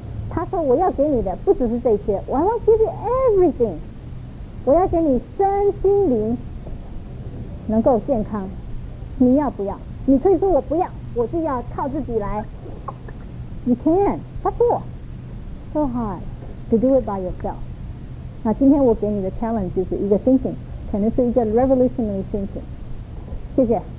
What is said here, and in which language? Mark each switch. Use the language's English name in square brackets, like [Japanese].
[Chinese] 他说我要给你的不只是这些， [English] I want to give you everything. [Chinese] 我要给你身心灵能够健康，你要不要？你可以说我不要，我就要靠自己来。 [English] You can, that's all. So hard to do it by yourself. [Chinese] 那今天我给你的 challenge 就是一个 thinking， 可能是一个 revolutionary thinking。 谢谢。